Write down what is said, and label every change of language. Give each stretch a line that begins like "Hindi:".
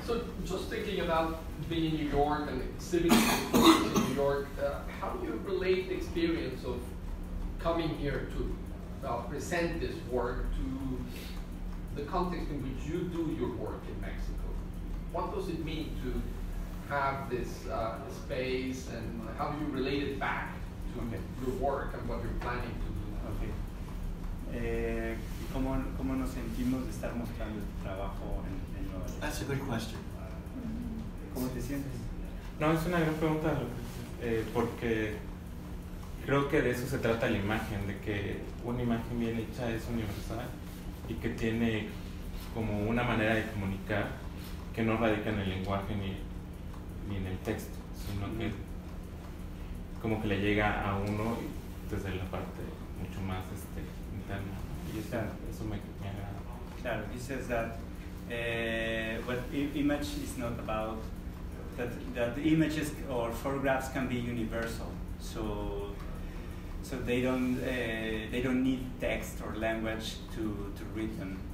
English: So just thinking about being in New York and exhibiting in New York, how do you relate the experience of coming here to present this work to the context in which you do your work in Mexico? What does it mean to have this space, and how do you relate it back to your work and what you're planning to do? Okay.
Spanish: ¿Cómo nos sentimos de estar mostrando este trabajo en Nueva York?
English: That's a good question.
Spanish: ¿Cómo te sientes? No, es una gran pregunta, porque creo que de eso se trata la imagen, de que una imagen bien hecha es universal y que tiene como una manera de comunicar que no radica en el lenguaje ni en el texto, sino que como que le llega a uno desde la parte mucho más interna. Y eso me agrada. Claro,
English: he says that image is not about that images or photographs can be universal. So they don't need text or language to read them.